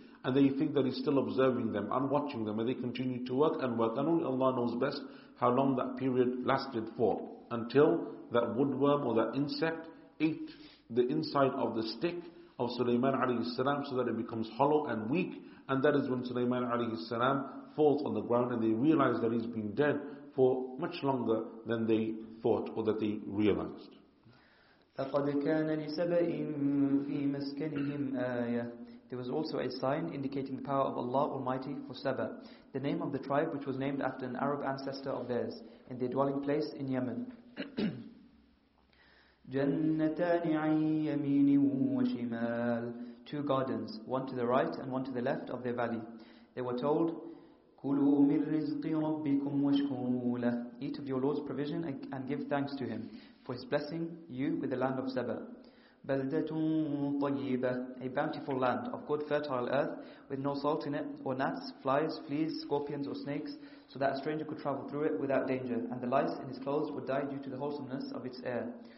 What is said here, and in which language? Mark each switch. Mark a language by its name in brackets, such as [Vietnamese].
[English] And they think that he's still observing them and watching them, and they continue to work and work. And only Allah knows best how long that period lasted for, until that woodworm or that insect ate the inside of the stick of Sulaiman alayhi salam, so that it becomes hollow and weak. And that is when Sulaiman alayhi salam falls on the ground and they realize that he's been dead for much longer than they thought or that they realized. [Arabic] لقد كان لسبأ في مسكنهم آية. [English] There was also a sign indicating the power of Allah Almighty for Saba, the name of the tribe which was named after an Arab ancestor of theirs, in their dwelling place in Yemen. [Arabic] جنتان عن يمين وشمال. [English] Two gardens, one to the right and one to the left of their valley. They were told, [Arabic] كلوا من رزق ربكم واشكروا له. [English] Eat of your Lord's provision and give thanks to Him for His blessing you with the land of Saba. [Arabic] بلدة طيبة, [English] a bountiful land of good fertile earth with no salt in it or gnats, flies, fleas, scorpions or snakes, so that a stranger could travel through it without danger and the lice in his clothes would die due to the wholesomeness of its air.